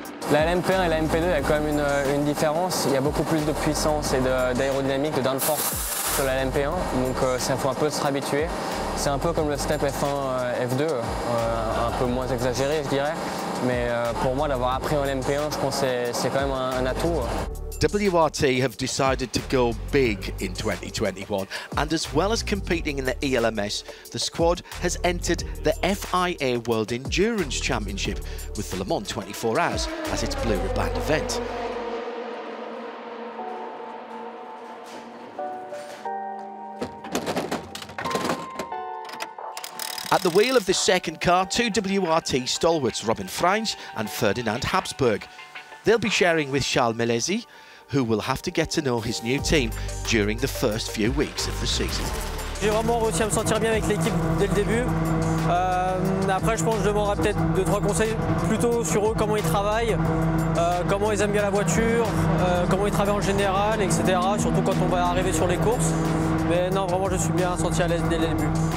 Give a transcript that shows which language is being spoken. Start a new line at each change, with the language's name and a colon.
French: La LMP1 et la LMP2, il y a quand même une différence. Il y a beaucoup plus de puissance et d'aérodynamique, de downforce sur la LMP1. Donc ça faut un peu se réhabituer. C'est un peu comme le step F1 F2, un peu moins exagéré, je dirais. Mais pour moi, d'avoir appris en LMP1, je pense que c'est quand même un atout.
English: WRT have decided to go big in 2021, and as well as competing in the ELMS, the squad has entered the FIA World Endurance Championship with the Le Mans 24 Hours as its blue ribbon event. At the wheel of the second car, two WRT stalwarts, Robin Freins and Ferdinand Habsburg. They'll be sharing with Charles Melesi, who will have to get to know his new team during the first few weeks of the season.
French: J'ai vraiment réussi à me sentir bien avec l'équipe dès le début. Après, je pense que je demanderai peut-être 2-3 conseils plutôt sur eux, comment ils travaillent, comment ils aiment bien la voiture, comment ils travaillent en général, etc. Surtout quand on va arriver sur les courses. Mais non, vraiment, je suis bien senti à l'aise dès le début.